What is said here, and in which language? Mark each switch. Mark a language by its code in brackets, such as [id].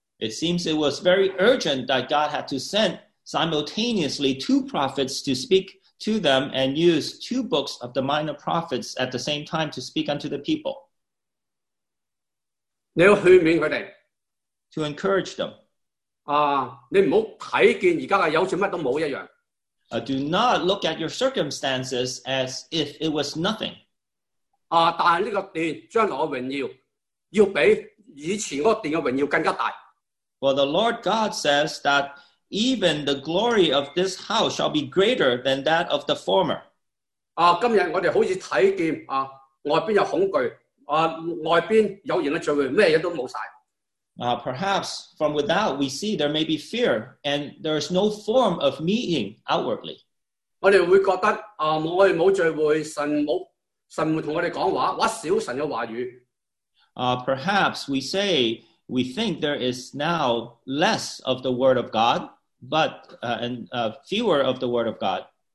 [en] It seems it was very urgent that God had to send simultaneously two prophets to speak to them and use two books of the minor prophets at the same time to speak unto the people. [zh] 你要劝勉他们, [en] to encourage them. [zh] 啊, 你不要看见现在的有什么都没有一样, [en] do not look at your circumstances as if it was nothing. [zh] 啊, 但是这个殿, 将来的荣耀, 要比以前那个殿的荣耀更加大。 [en] Well, the Lord God says that even the glory of this house shall be greater than that of the former. [zh] 啊, 今天我们好像看见, 啊, 外边有恐惧, 外边有人的聚会, [en] perhaps from without we see there may be fear and there is no form of meeting outwardly. [zh] 我们会觉得, 我们没有聚会, 神没有跟我们讲话, 或少神的话语, [en] perhaps we say we think there is now less of the word of God, but fewer of the word of God.